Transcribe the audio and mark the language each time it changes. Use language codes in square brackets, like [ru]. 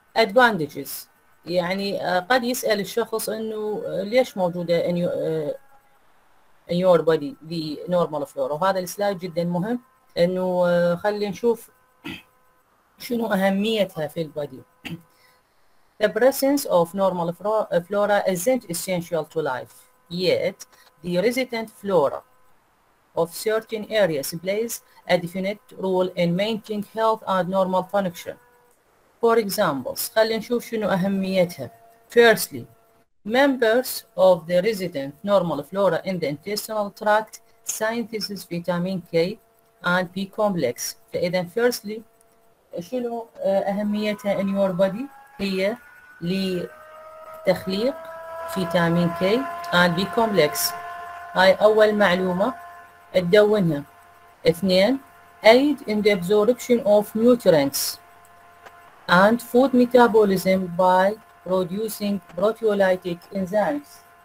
[ar] Advantages يعني قد يسأل الشخص إنه ليش موجودة [en] in your body the normal flora، [ar] وهذا السلايد جدا مهم إنه خلينا نشوف شنو أهميتها في البادي. [en] The presence of normal flora isn't essential to life, yet the resident flora of certain areas plays a definite role in maintaining health and normal function. For examples, [ar] خلينا نشوف شنو أهميتها. [en] Firstly, members of the resident normal flora in the intestinal tract synthesis vitamin K and B complex. [ar] فإذا firstly شنو أهميتها [en] in your body؟ [ar] هي لتخليق فيتامين كي and بي كومبلكس. هاي أول معلومة تدونها. اثنين، [en] aid in the absorption of nutrients and food metabolism by producing proteolytic enzymes.